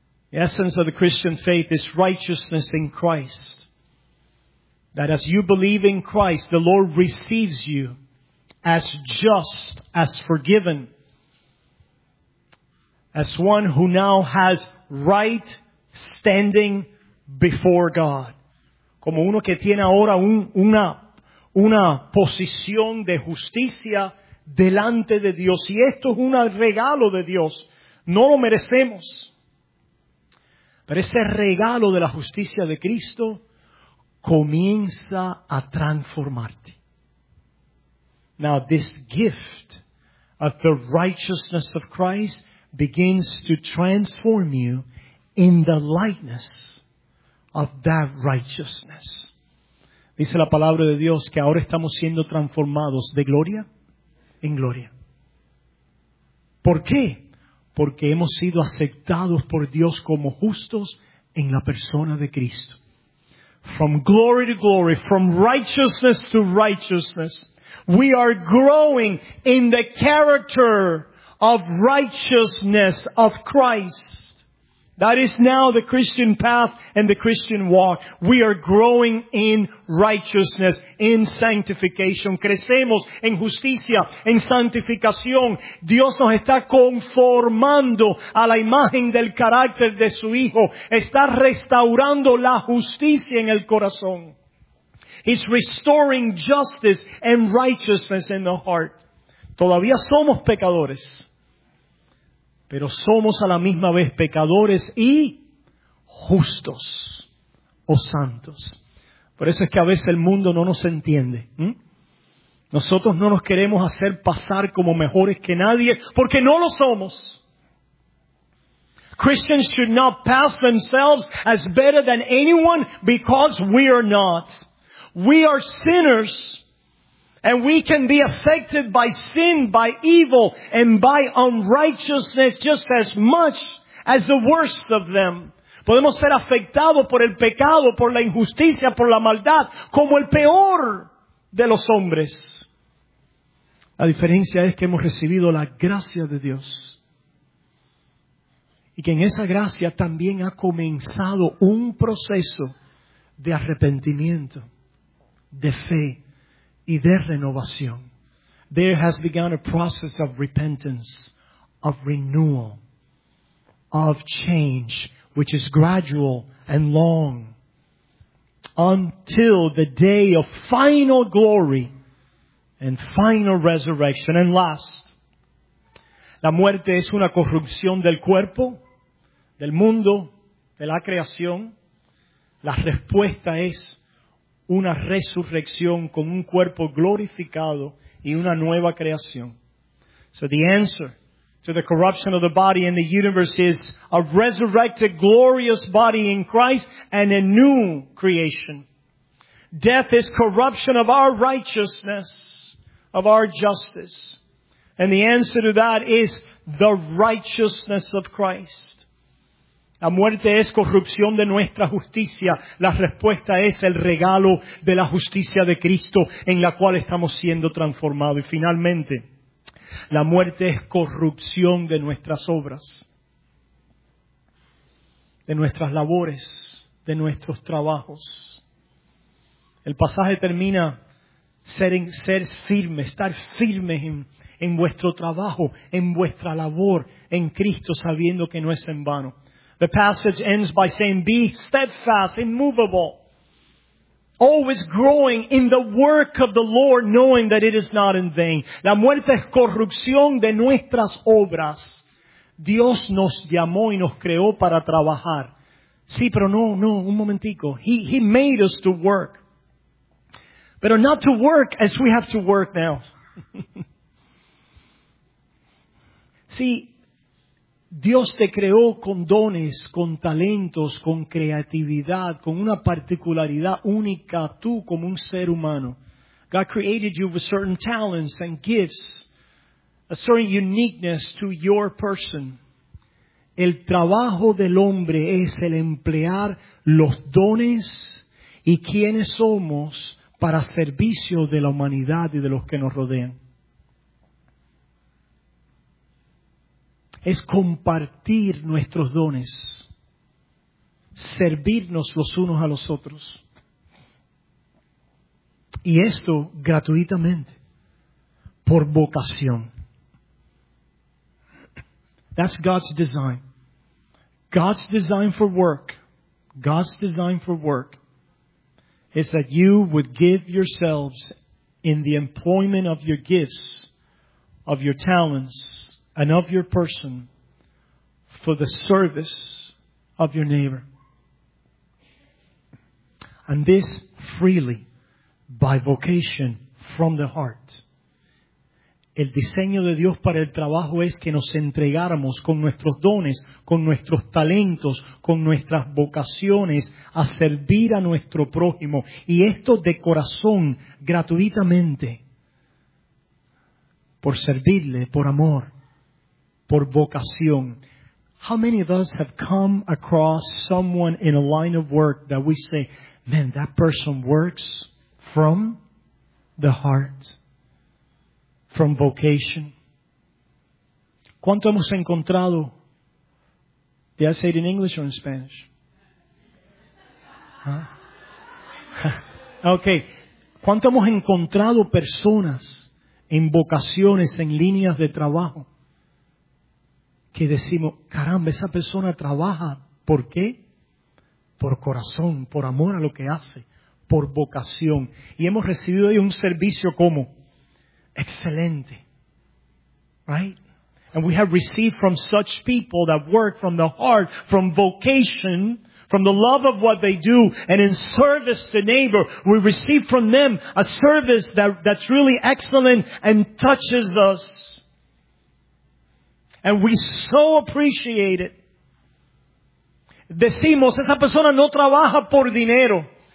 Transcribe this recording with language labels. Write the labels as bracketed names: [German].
[English] The essence of the Christian faith is righteousness in Christ. That as you believe in Christ, the Lord receives you as just, as forgiven, as one who now has right standing before God. [Spanish] Como uno que tiene ahora una posición de justicia delante de Dios. Y esto es un regalo de Dios. No lo merecemos. Pero ese regalo de la justicia de Cristo comienza a transformarte. [English] Now this gift of the righteousness of Christ begins to transform you in the likeness of that righteousness. [Spanish] Dice la palabra de Dios que ahora estamos siendo transformados de gloria en gloria. ¿Por qué? Porque hemos sido aceptados por Dios como justos en la persona de Cristo. [English] From glory to glory, from righteousness to righteousness, we are growing in the character of righteousness of Christ. That is now the Christian path and the Christian walk. We are growing in righteousness, in sanctification. [Spanish] Crecemos en justicia, en santificación. Dios nos está conformando a la imagen del carácter de su Hijo. Está restaurando la justicia en el corazón. [English] He's restoring justice and righteousness in the heart. [Spanish] Todavía somos pecadores. Pero somos a la misma vez pecadores y justos o santos. Por eso es que a veces el mundo no nos entiende. Nosotros no nos queremos hacer pasar como mejores que nadie porque no lo somos. [English] Christians should not pass themselves as better than anyone because we are not. We are sinners. And we can be affected by sin, by evil, and by unrighteousness just as much as the worst of them. [Spanish] Podemos ser afectados por el pecado, por la injusticia, por la maldad, como el peor de los hombres. La diferencia es que hemos recibido la gracia de Dios. Y que en esa gracia también ha comenzado un proceso de arrepentimiento, de fe. Y de renovación. [English] There has begun a process of repentance, of renewal, of change, which is gradual and long, until the day of final glory and final resurrection. And last, [Spanish] la muerte es una corrupción del cuerpo, del mundo, de la creación. La respuesta es una resurrección con un cuerpo glorificado y una nueva creación. [English] So the answer to the corruption of the body in the universe is a resurrected glorious body in Christ and a new creation. Death is corruption of our righteousness, of our justice. And the answer to that is the righteousness of Christ. [Spanish] La muerte es corrupción de nuestra justicia. La respuesta es el regalo de la justicia de Cristo en la cual estamos siendo transformados. Y finalmente, la muerte es corrupción de nuestras obras, de nuestras labores, de nuestros trabajos. El pasaje termina ser firme, estar firmes en vuestro trabajo, en vuestra labor, en Cristo, sabiendo que no es en vano. [English] The passage ends by saying, be steadfast, immovable, always growing in the work of the Lord, knowing that it is not in vain. [Spanish] La muerte es corrupción de nuestras obras. Dios nos llamó y nos creó para trabajar. Sí, pero no, un momentico. [English] He made us to work. [Spanish] Pero [English] not to work as we have to work now. [Spanish] Sí. Dios te creó con dones, con talentos, con creatividad, con una particularidad única, tú como un ser humano. [English] God created you with certain talents and gifts, a certain uniqueness to your person. [Spanish] El trabajo del hombre es el emplear los dones y quiénes somos para servicio de la humanidad y de los que nos rodean. Es compartir nuestros dones, servirnos los unos a los otros. Y esto gratuitamente, por vocación. [English] That's God's design. God's design for work, God's design for work is that you would give yourselves in the employment of your gifts, of your talents, and of your person for the service of your neighbor. And this freely, by vocation, from the heart. [Spanish] El diseño de Dios para el trabajo es que nos entregáramos con nuestros dones, con nuestros talentos, con nuestras vocaciones a servir a nuestro prójimo. Y esto de corazón, gratuitamente, por servirle, por amor, por vocación. [English] How many of us have come across someone in a line of work that we say, man, that person works from the heart? From vocation. [Spanish] ¿Cuánto hemos encontrado? [English] Did I say it in English or in Spanish? Huh? Okay. [Spanish] ¿Cuánto hemos encontrado personas en vocaciones, en líneas de trabajo, que decimos, caramba, esa persona trabaja, ¿por qué? Por corazón, por amor a lo que hace, por vocación. Y hemos recibido ahí un servicio como excelente, [English] right? And we have received from such people that work from the heart, from vocation, from the love of what they do, and in service to neighbor, we receive from them a service that's really excellent and touches us. And we so appreciate it. [Spanish] Decimos, esa persona no trabaja por dinero.